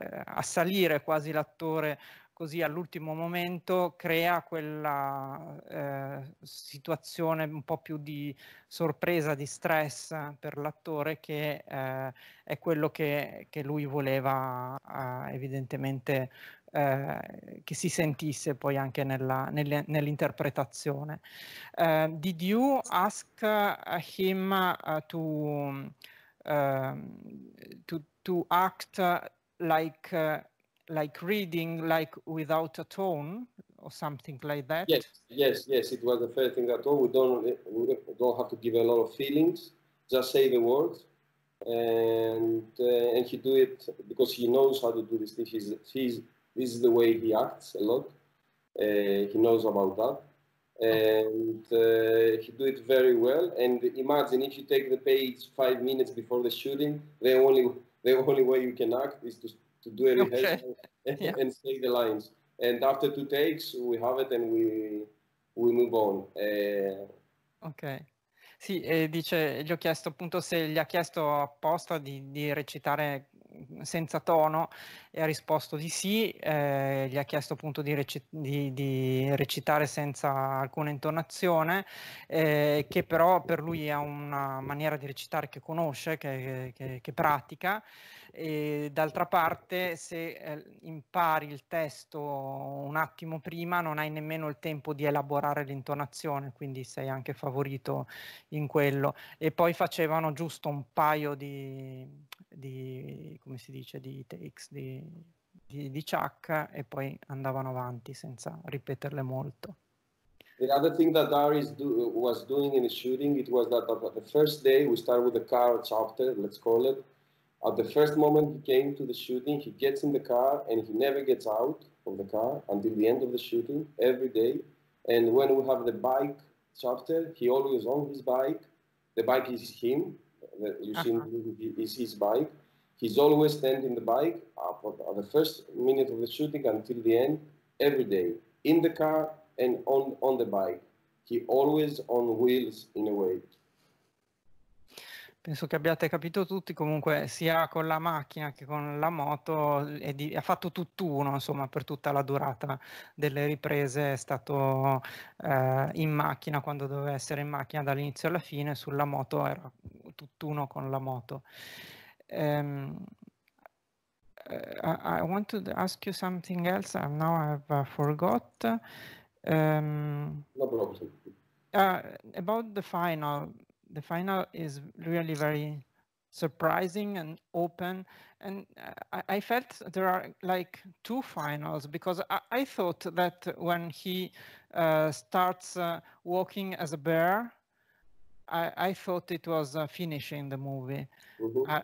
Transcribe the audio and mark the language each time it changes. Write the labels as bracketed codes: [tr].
[it] assalire quasi l'attore così all'ultimo momento crea quella situazione un po' più di sorpresa, di stress per l'attore, che è quello che lui voleva evidentemente che si sentisse poi anche nell'interpretazione. [en] Did you ask him to act like reading, like without a tone or something like that? Yes. It was the first thing at all. We don't have to give a lot of feelings, just say the words, and he do it because he knows how to do this thing. This is the way he acts a lot. He knows about that, and he do it very well. And imagine if you take the page 5 minutes before the shooting, the only way you can act is to do a rehearsal, okay. And yeah. Say the lines. And after 2 takes, we have it and we move on. Ok. [it] Sì, dice, gli ho chiesto appunto se gli ha chiesto apposta di recitare senza tono, e ha risposto di sì. Gli ha chiesto appunto di recitare senza alcuna intonazione, che però per lui è una maniera di recitare che conosce, che pratica. E d'altra parte, se impari il testo un attimo prima, non hai nemmeno il tempo di elaborare l'intonazione, quindi sei anche favorito in quello. E poi facevano giusto un paio di come si dice, di takes di Chuck, e poi andavano avanti senza ripeterle molto. [en] The other thing that Aris was doing in the shooting, it was that the first day we start with the car chapter, let's call it. At the first moment he came to the shooting, he gets in the car and he never gets out of the car until the end of the shooting, every day. And when we have the bike chapter, he always on his bike. The bike is him. You see, is his bike. He's always standing the bike at the first minute of the shooting until the end, every day, in the car and on the bike. He always on wheels in a way. [it] Penso che abbiate capito tutti, comunque sia con la macchina che con la moto, ha fatto tutt'uno, insomma, per tutta la durata delle riprese è stato in macchina, quando doveva essere in macchina dall'inizio alla fine, sulla moto era tutt'uno con la moto. [en] I want to ask you something else, now I've forgot. No problem. About the final. The final is really very surprising and open. And I felt there are like two finals, because I thought that when he starts walking as a bear, I thought it was finishing the movie. Mm-hmm.